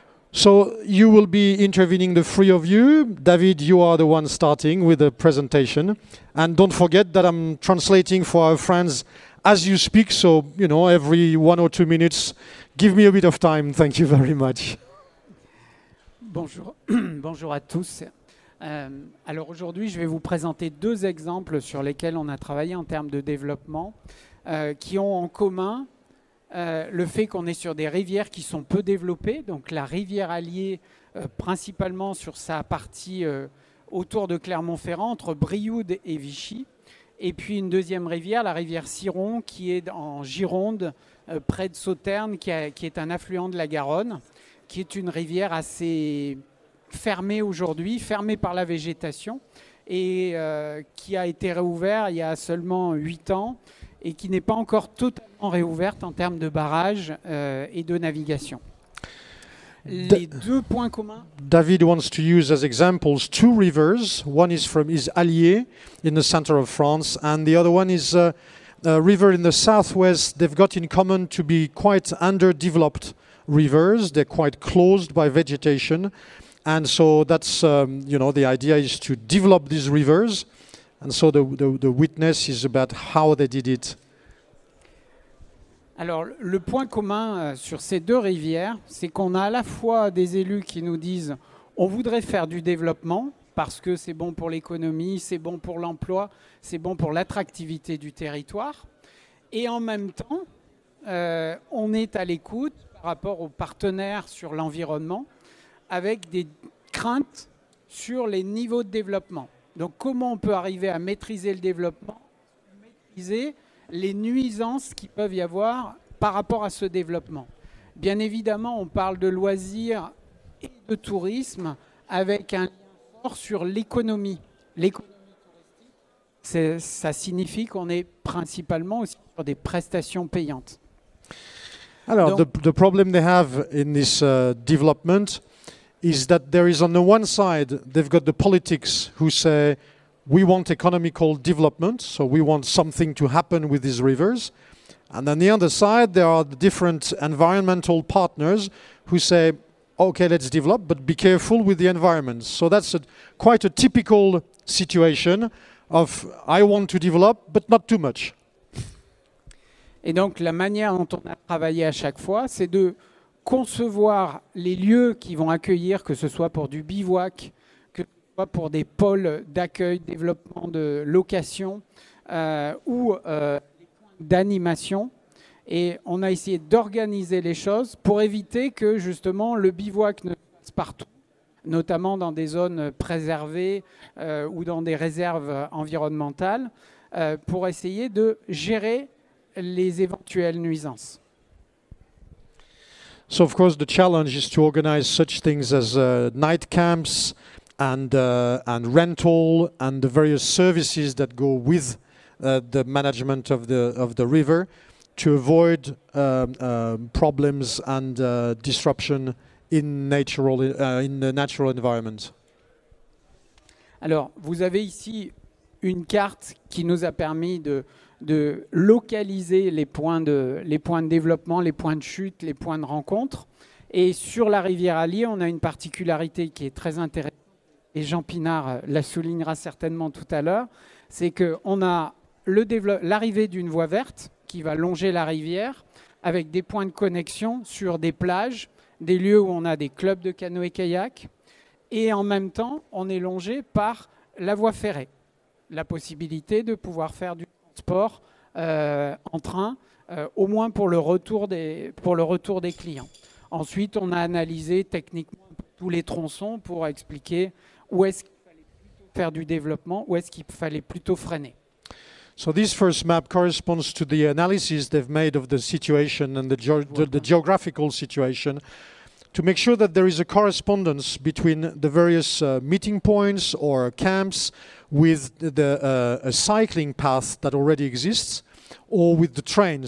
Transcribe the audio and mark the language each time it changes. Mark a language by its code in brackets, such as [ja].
[en] So you will be intervening, the three of you. David, you are the one starting with the presentation. And don't forget that I'm translating for our friends as you speak. So, every 1 or 2 minutes, give me a bit of time. Thank you very much. [fr] Bonjour. Bonjour à tous. Alors aujourd'hui, je vais vous présenter deux exemples sur lesquels on a travaillé en termes de développement, qui ont en commun le fait qu'on est sur des rivières qui sont peu développées. Donc la rivière Allier, principalement sur sa partie autour de Clermont-Ferrand, entre Brioude et Vichy. Et puis une deuxième rivière, la rivière Ciron, qui est en Gironde, près de Sauternes, qui est un affluent de la Garonne, qui est une rivière assez fermé aujourd'hui, fermé par la végétation, et qui a été réouvert il y a seulement 8 ans et qui n'est pas encore totalement réouverte en termes de barrages et de navigation. Les deux points communs. [en] David wants to use as examples two rivers. One is from his Allier in the center of France, and the other one is a river in the southwest. They've got in common to be quite underdeveloped rivers. They're quite closed by vegetation. And so that's, the idea is to develop these rivers. And so the witness is about how they did it. [fr] Alors, le point commun sur ces deux rivières, c'est qu'on a à la fois des élus qui nous disent: on voudrait faire du développement parce que c'est bon pour l'économie, c'est bon pour l'emploi, c'est bon pour l'attractivité du territoire. Et en même temps, on est à l'écoute par rapport aux partenaires sur l'environnement, avec des craintes sur les niveaux de développement. Donc, comment on peut arriver à maîtriser le développement, maîtriser les nuisances qui peuvent y avoir par rapport à ce développement? Bien évidemment, on parle de loisirs et de tourisme avec un lien fort sur l'économie. L'économie touristique, ça signifie qu'on est principalement aussi sur des prestations payantes. [en] Alors, the problem they have in this development is that there is on the one side, they've got the politics who say, we want economical development, so we want something to happen with these rivers. And on the other side, there are the different environmental partners who say, okay, let's develop, but be careful with the environment. So that's quite a typical situation of I want to develop, but not too much. [fr] Et donc, la manière dont on a travaillé à chaque fois, c'est de concevoir les lieux qui vont accueillir, que ce soit pour du bivouac, que ce soit pour des pôles d'accueil, développement de location ou des points d'animation. Et on a essayé d'organiser les choses pour éviter que, justement, le bivouac ne passe partout, notamment dans des zones préservées ou dans des réserves environnementales, pour essayer de gérer les éventuelles nuisances. [en] So of course the challenge is to organize such things as night camps and rental and the various services that go with the management of the river to avoid problems and disruption in the natural environment. [fr] Alors, vous avez ici une carte qui nous a permis de localiser les points de développement, les points de chute, les points de rencontre. Et sur la rivière Allier, on a une particularité qui est très intéressante, et Jean Pinard la soulignera certainement tout à l'heure, c'est qu'on a l'arrivée d'une voie verte qui va longer la rivière avec des points de connexion sur des plages, des lieux où on a des clubs de canoë-kayak, et en même temps, on est longé par la voie ferrée, la possibilité de pouvoir faire du sport en train, au moins pour le retour des clients. Ensuite, on a analysé techniquement tous les tronçons pour expliquer où est-ce qu'il fallait faire du développement, où est-ce qu'il fallait plutôt freiner. [en] So this first map corresponds to the analysis they've made of the situation and the geographical situation to make sure that there is a correspondence between the various meeting points or camps with a cycling path that already exists or with the train.